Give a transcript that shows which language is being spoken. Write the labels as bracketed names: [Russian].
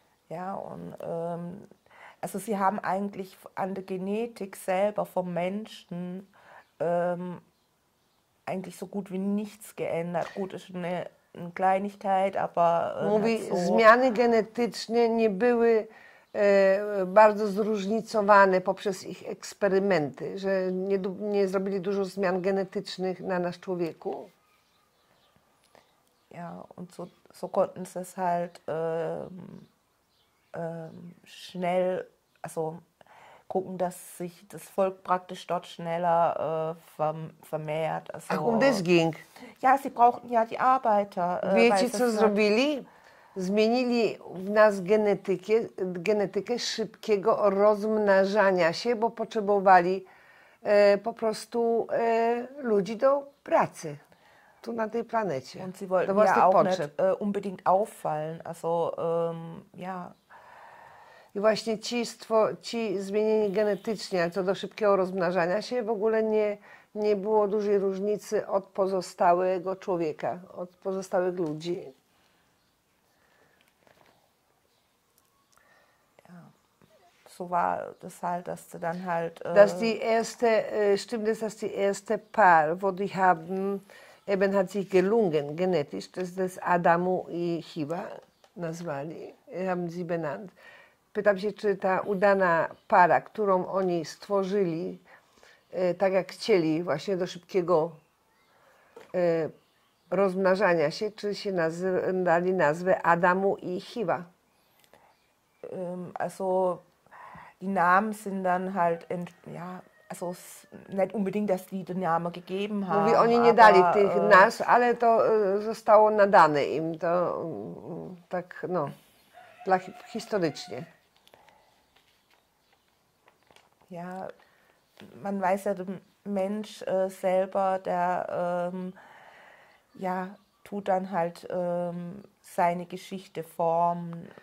[German] Ja, und also sie haben eigentlich an der Genetik selber vom Menschen eigentlich so gut wie nichts geändert. Gut, ist eine Kleinigkeit, aber [Polish] mówi, zmiany genetyczne nie były bardzo zróżnicowane poprzez ich eksperymenty, że nie zrobili dużo zmian genetycznych na nasz człowieku. [German] Ja, und so konnten sie es halt schnell, also gucken, dass sich das Volk praktisch dort schneller vermehrt. Also, ach, um das ging? Ja, sie brauchten ja die Arbeiter. [Polish] Wiecie, co zrobili? Zmienili w nas genetykę szybkiego rozmnażania się, bo potrzebowali po prostu ludzi do pracy tu na tej planecie. [German] Und sie wollten ja auch nicht unbedingt auffallen, also ja. [Polish] I właśnie ci zmienieni genetycznie, co do szybkiego rozmnażania się, w ogóle nie było dużej różnicy od pozostałego człowieka, od pozostałych ludzi. [German] So war das halt, dass sie dann halt... Dass die erste, stimmt es, dass die erste Paar, wo die haben, eben hat sich gelungen, genetisch, dass das Adamu [Polish] i Hiwa nazwali, [German] haben sie benannt. [Polish] Pytam się, czy ta udana para, którą oni stworzyli, tak jak chcieli, właśnie do szybkiego rozmnażania się, czy się dali nazwę Adamu i Hiwa? [German] Also... Die Namen sind dann halt, ja, also nicht unbedingt, dass die den Namen gegeben haben. [Polish] Mówi, oni nie dali tych nas, ale to zostało nadane im, to tak, no, dla historycznie. [German] Ja, man weiß ja, der Mensch selber, der, ja, tut dann halt, seine Geschichte formen.